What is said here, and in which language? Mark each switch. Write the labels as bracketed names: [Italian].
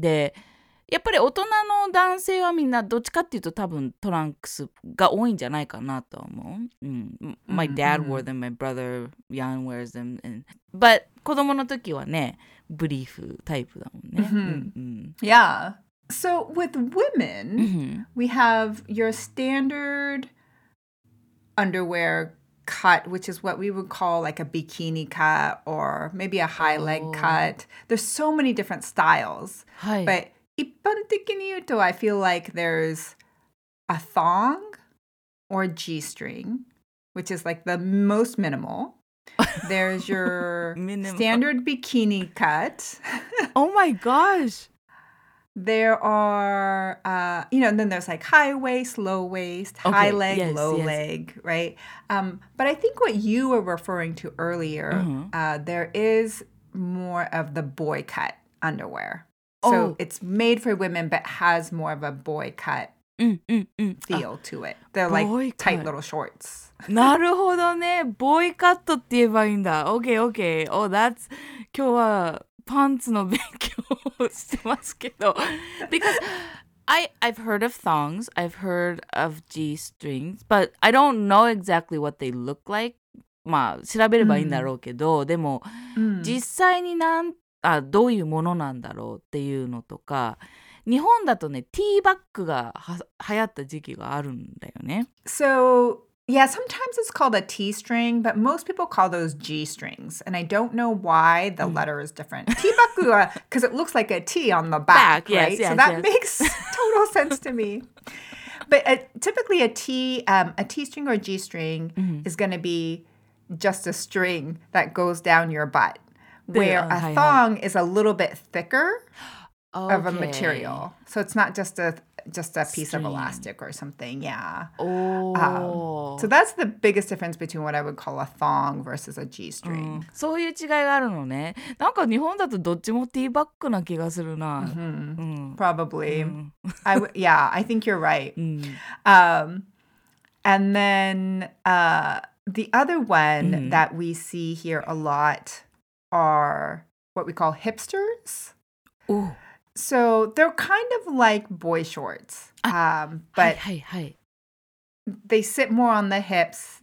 [Japanese] でやっぱり大人の男性はみんなどっちかっていうと多分トランクスが多いんじゃないかなと思う、mm. [English] My dad、mm-hmm. wore them, my brother Jan wears them and... [Japanese] but 子供の時はね [English] Brief type [Japanese] だもんね。 [English] Mm-hmm. Mm-hmm. Yeah. So with women, mm-hmm. we have your standard underwear cut, which is what we would call like a bikini cut or maybe a high leg cut. There's so many different styles. But [Japanese] 一般的に言うと [English] I feel like there's a thong or a G-string, which is like the most minimal. There's your standard bikini cut. Oh my gosh. There are, you know, and then there's like high waist, low waist, okay. high leg, yes, low yes. leg, right? But I think what you were referring to earlier, mm-hmm. There is more of the boy cut underwear. So oh. it's made for women, but has more of a boy cut feel to it. They're like tight little shorts. [Japanese] なるほどね。ボーイカットって言えばいいんだ。 [English] OK, OK. Oh, that's... [Japanese] 今日はパンツの勉強をしてますけど。 [English] Because I've heard of thongs. I've heard of G-strings. But I don't know exactly what they look like. [Japanese] まあ、調べればいいんだろうけど。 Mm. でも、mm. 実際になんあどういうものなんだろうっていうのとか。日本だとね、ティーバッグが流行った時期があるんだよね。 [English] So... Yeah, sometimes it's called a T-string, but most people call those G-strings. And I don't know why the letter is different. T-baku, because it looks like a T on the back, yes, right? Yes, so that yes. makes total sense to me. But typically a T-string or a G-string mm-hmm. is going to be just a string that goes down your butt, where a thong is a little bit thicker okay. of a material. So it's not just a... Just a piece of elastic or something, yeah. Oh. So that's the biggest difference between what I would call a thong versus a G-string. [Japanese] そういう違いがあるのね。なんか日本だとどっちもティーバッグな気がするな。 [English] Probably. Yeah, I think you're right. And then the other one that we see here a lot are what we call hipsters. Ooh. So they're kind of like boy shorts, but they sit more on the hips.